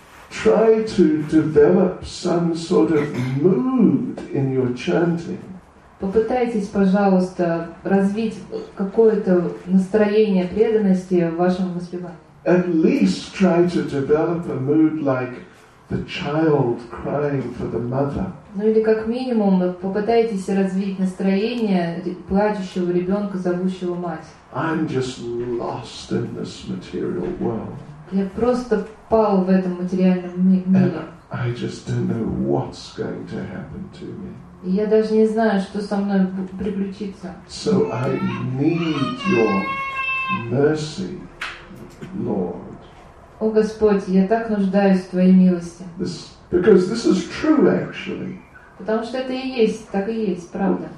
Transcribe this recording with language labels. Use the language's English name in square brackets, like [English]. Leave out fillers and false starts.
[English] Try to develop some sort of mood in your chanting. [Russian] Попытайтесь, пожалуйста, развить какое-то настроение преданности в вашем воспевании. [English] At least try to develop a mood like the child crying for the mother. [Russian] Ну или как минимум попытайтесь развить настроение плачущего ребенка, зовущего мать. [English] I'm just lost in this material world. [Russian] Я просто пал в этом материальном мире. [English] I just don't know what's going to happen to me. [Russian] Я даже не знаю, что со мной приключится. [English] So I need your mercy, Lord. [Russian] О Господь, я так нуждаюсь в Твоей милости. [English] Because this is true, actually. [Russian] Потому что это и есть, так и есть, правда.